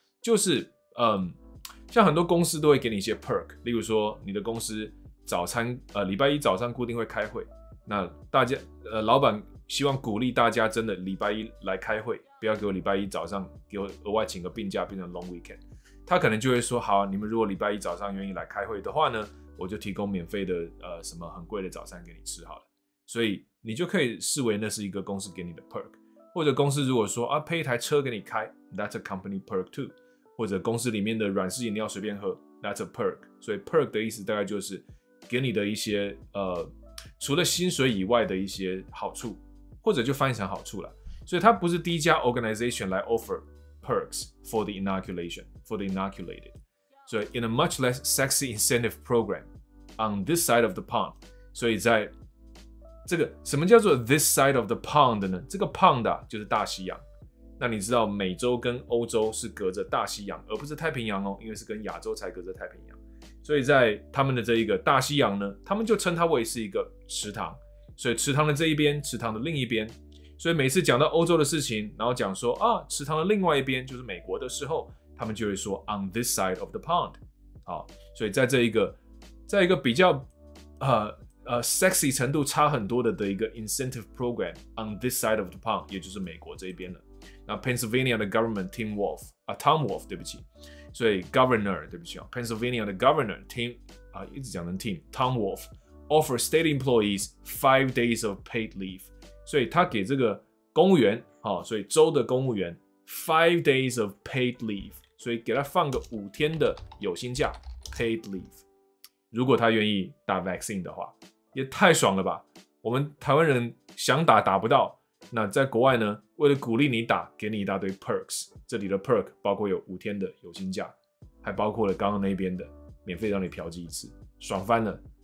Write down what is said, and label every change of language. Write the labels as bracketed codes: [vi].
[zh] 就是像很多公司都会给你一些 perk， 例如说你的公司早餐礼拜一早上固定会开会，那大家老板希望鼓励大家真的礼拜一来开会，不要给我礼拜一早上给我额外请个病假变成 long weekend， 他可能就会说好，你们如果礼拜一早上愿意来开会的话呢，我就提供免费的什么很贵的早餐给你吃好了。所以你就可以视为那是一个公司给你的 perk。或者公司如果说啊，配一台车给你开 ， [en] That's a company perk too。 [zh] 或者公司里面的软式饮料随便喝 ， [en] That's a perk。 [zh] 所以 perk 的意思大概就是给你的一些除了薪水以外的一些好处，或者就翻译成好处了。所以它不是第一家 [en] organization 来 offer perks for the inoculation for the inoculated。所以 in a much less sexy incentive program on this side of the pond。 [zh] 所以在这个什么叫做 this side of the pond 呢？这个 pond 啊，就是大西洋。那你知道美洲跟欧洲是隔着大西洋，而不是太平洋哦，因为是跟亚洲才隔着太平洋。所以在他们的这一个大西洋呢，他们就称它为是一个池塘。所以池塘的这一边，池塘的另一边。所以每次讲到欧洲的事情，然后讲说啊，池塘的另外一边就是美国的时候，他们就会说 on this side of the pond。好，所以在这一个，在一个比较sexy 程度差很多的一个 [en] incentive program on this side of the pond， [zh] 也就是美国这一边的。那 Pennsylvania 的 government Tom Wolf， 对不起，所以 governor， 对不起啊 ，Pennsylvania 的 governor Tim 啊，一直讲成 Tim Tom Wolf [en] offer state employees 5 days of paid leave， [zh] 所以他给这个公务员啊，所以州的公务员 [en] 5 days of paid leave， [zh] 所以给他放个五天的有薪假 paid leave。如果他愿意打 vaccine 的话，也太爽了吧！我们台湾人想打打不到，那在国外呢？为了鼓励你打，给你一大堆 perks。这里的 perk 包括有五天的有薪假，还包括了刚刚那边的免费让你嫖妓一次，爽翻了！